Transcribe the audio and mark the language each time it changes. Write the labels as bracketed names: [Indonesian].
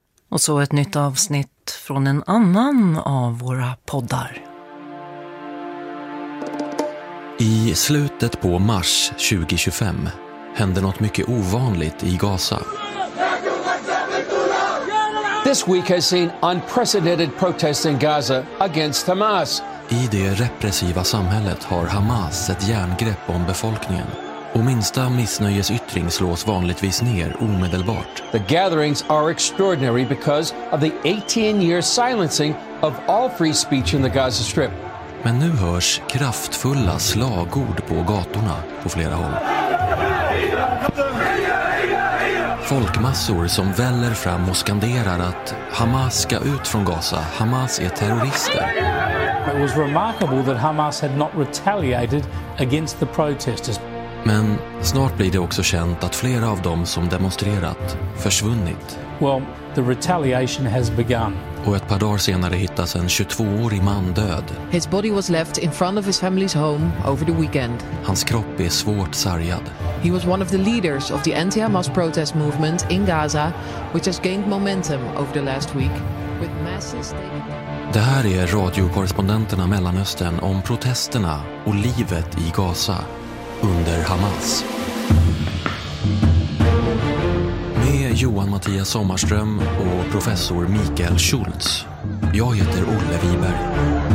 [Swedish] Och så ett nytt avsnitt från en annan av våra poddar. I slutet på mars 2025 hände något mycket ovanligt i Gaza. [English] This week has seen unprecedented protests in Gaza against Hamas. [Swedish] I det repressiva samhället har Hamas ett järngrepp om befolkningen. Och minsta missnöjes yttring slås vanligtvis ner omedelbart. [English] The gatherings are extraordinary because of the 18-year silencing of all free speech in the Gaza Strip. [Swedish] Men nu hörs kraftfulla slagord på gatorna på flera håll. Folkmassor som väller fram och skanderar att Hamas ska ut från Gaza. Hamas är terrorister. [English] It was remarkable that Hamas had not retaliated against the protesters. [Swedish] Men snart blir det också känt att flera av dem som demonstrerat försvunnit. [English] Well, the retaliation has begun. [Swedish] Och ett par dagar senare hittas en 22-årig man död. [English] His body was left in front of his family's home over the weekend. [Swedish] Hans kropp är svårt sargad. [English] He was one of the leaders of the anti-Hamas protest movement in Gaza, which has gained momentum over the last week with masses. [Swedish] Det här är radiokorrespondenterna Mellanöstern om protesterna och livet i Gaza under Hamas. Med Johan Mattias Sommarström och professor Mikael Schultz. Jag heter Olle Wiberg.